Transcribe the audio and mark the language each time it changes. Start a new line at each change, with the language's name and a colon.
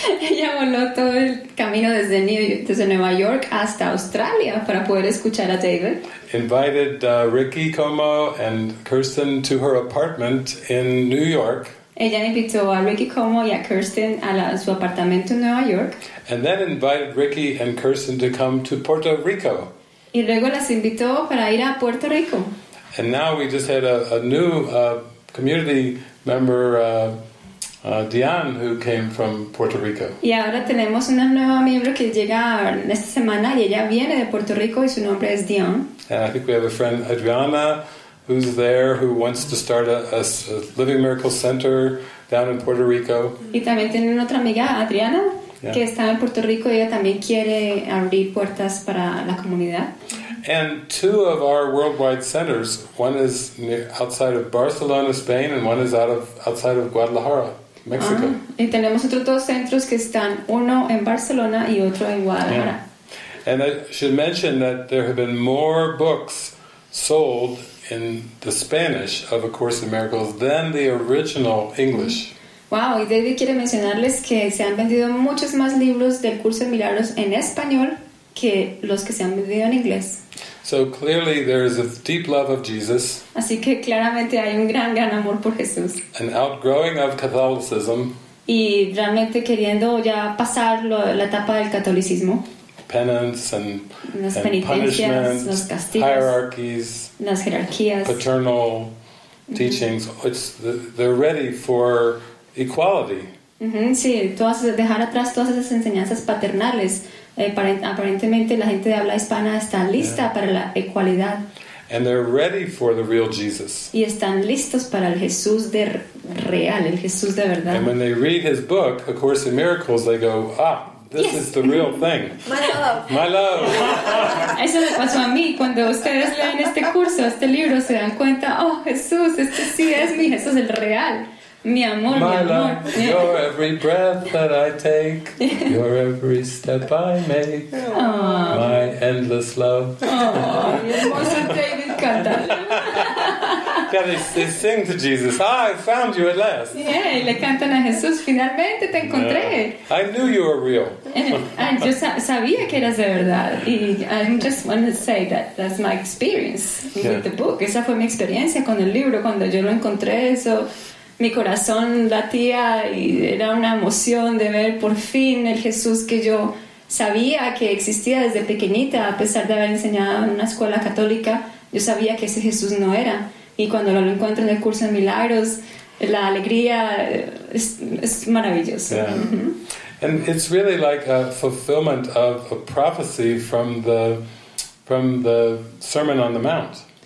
Spanish: Ella voló todo el camino desde Nueva York hasta Australia para poder escuchar a David.
English: Invited Ricky Como and Kirsten to her apartment in New York.
Spanish: Ella invitó a Ricky Como y a Kirsten a su apartamento en Nueva York.
English: And then invited Ricky and Kirsten to come to Puerto Rico.
Spanish: Y luego las invitó para ir a Puerto Rico.
English: And now we just had a new community member, Diane, who came from Puerto Rico.
Spanish: Y ahora tenemos una nueva miembro que llega esta semana y ella viene de Puerto Rico y su nombre es Diane.
English: And I think we have a friend, Adriana, who's there, who wants to start a Living Miracle Center down in Puerto Rico.
Spanish: Y también tienen otra amiga, Adriana, yeah, que está en Puerto Rico y ella también quiere abrir puertas para la comunidad.
English: And two of our worldwide centers, one is outside of Barcelona, Spain, and one is outside of Guadalajara, Mexico.
Spanish: Y tenemos otros dos centros que están, uno en Barcelona y otro en Guadalajara.
English: Yeah. And I should mention that there have been more books sold in the Spanish of A Course in Miracles than the original English.
Spanish: Wow, y David quiere mencionarles que se han vendido muchos más libros del Curso de Milagros en español que los que se han vendido en inglés.
English: So clearly there is a deep love of Jesus.
Spanish: Así que claramente hay un gran amor por Jesús.
English: An outgrowing of Catholicism.
Spanish: Y realmente queriendo ya pasar la etapa del catolicismo.
English: Penance and punishments, hierarchies,
Spanish: las jerarquías,
English: paternal teachings. Mm-hmm. They're ready for equality.
Spanish: Mm-hmm. Sí, dejar atrás todas esas enseñanzas paternales. Aparentemente, la gente de habla hispana está lista, yeah, para la equidad.
English: And they're ready for the real Jesus.
Spanish: Y están listos para el Jesús de real, el Jesús de verdad.
English: And when they read his book, A Course in Miracles, they go, ah, this, yes, is the real thing. My love. My love.
Spanish: Eso me pasó a mí cuando ustedes leen este curso, este libro, se dan cuenta, oh, Jesús, este sí es mi Jesús, el real. Mi amor,
English: my
Spanish: mi amor.
English: Love, you're every breath that I take, you're every step I make, aww, my endless love.
Spanish: Aww, mi hermoso David canta.
English: Yeah, they sing to Jesus, ah, I found you at last.
Spanish: Yeah, y le cantan a Jesús, finalmente te encontré. Yeah.
English: I knew you were real.
Spanish: And yo sabía que eras de verdad.
English: Y I just want to say that that's my experience with yeah. the book.
Spanish: Esa fue mi experiencia con el libro, cuando yo lo encontré, eso... Mi corazón latía y era una emoción de ver por fin el Jesús que yo sabía que existía desde pequeñita, a pesar de haber enseñado en una escuela católica, yo sabía que ese Jesús no era. Y cuando lo encuentro en el curso de milagros, la alegría es maravillosa.
English: Yeah. Mm-hmm. And it's really like a fulfillment of a prophecy from the Sermon on the Mount.